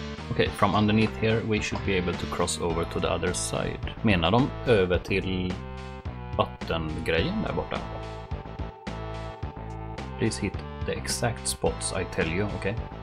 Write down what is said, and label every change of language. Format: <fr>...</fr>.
<en>Okay, from underneath here we should be able to cross over to the other side.</en> <sv>Menar de över till vattengrejen där borta?</sv> <en>Please hit the exact spots I tell you, okay?</en>